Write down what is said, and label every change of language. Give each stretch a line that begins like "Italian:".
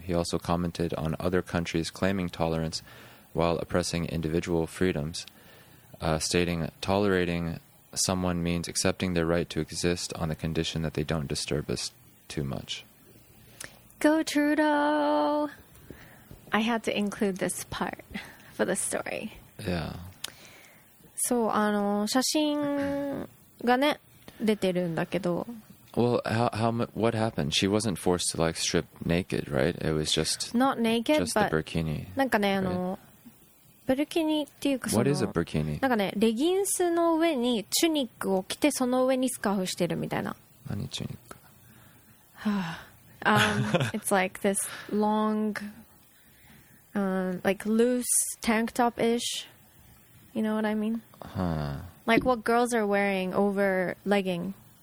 English: He also commented on other countries claiming tolerance while oppressing individual freedoms, stating, tolerating someone means accepting their right to exist on the condition that they don't disturb us too much. Go Trudeau! I had to include this part for the story. Yeah.
Japanese: そう、あの、写真がね、出てるんだけど。
English: Well, what happened? She wasn't forced to like strip naked, right? It was just not naked, just the burkini.
Japanese: なんかね、あの、ブルキニっていうかその
English: What is a burkini?
Japanese: なんかね、レギンスの上にチュニックを着てその上にスカーフしてるみたいな。何チュニック？
English: はあ、it's like this long, like loose tank top-ish. You know what I mean? Huh. Like what girls are wearing over legging.